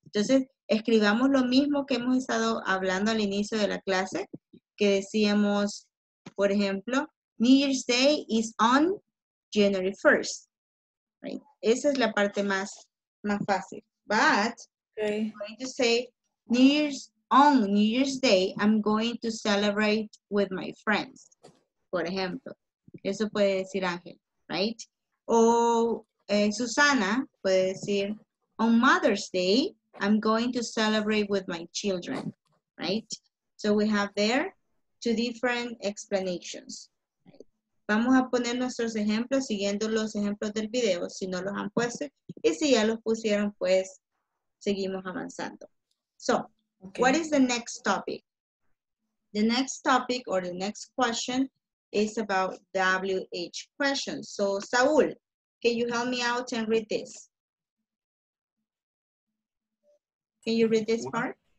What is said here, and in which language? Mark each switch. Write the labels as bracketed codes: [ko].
[es] Entonces, escribamos lo mismo que hemos estado hablando al inicio de la clase, que decíamos, por ejemplo, [en] New Year's Day is on January 1st, right? [es] Esa es la parte más fácil. But, [en] okay. I'm going to say, New Year's Day, I'm going to celebrate with my friends, [es] por ejemplo. Eso puede decir [en] Ángel, right? [es] O Susana puede decir, [en] on Mother's Day, I'm going to celebrate with my children, right? So we have there two different explanations. [es] Vamos a poner nuestros ejemplos siguiendo los ejemplos del video, si no los han puesto. Y si ya los pusieron, pues seguimos avanzando. [en] So, okay. What is the next topic? The next topic or the next question is about WH questions. So, Saul, can you help me out and read this? Can you read this part?